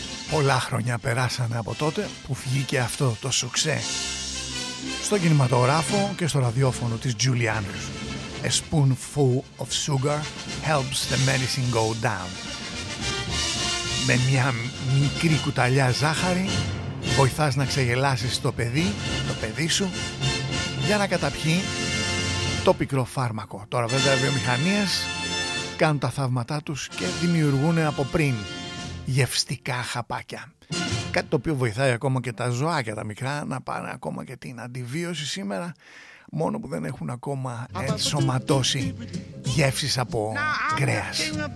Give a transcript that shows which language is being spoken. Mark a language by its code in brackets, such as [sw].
[el] Πολλά χρόνια περάσανε από τότε που βγήκε αυτό το σουξέ στο κινηματογράφο και στο ραδιόφωνο της Julie Andrews. [en] A spoonful of sugar helps the medicine go down. [el] Με μια μικρή κουταλιά ζάχαρη βοηθάς να ξεγελάσεις το παιδί σου για να καταπιεί το πικρό φάρμακο. Τώρα βέβαια οι βιομηχανίες κάνουν τα θαύματά τους και δημιουργούν από πριν γευστικά χαπάκια, κάτι το οποίο βοηθάει ακόμα και τα ζωάκια τα μικρά να πάνε ακόμα και την αντιβίωση σήμερα, μόνο που δεν έχουν ακόμα ενσωματώσει γεύσεις από κρέας.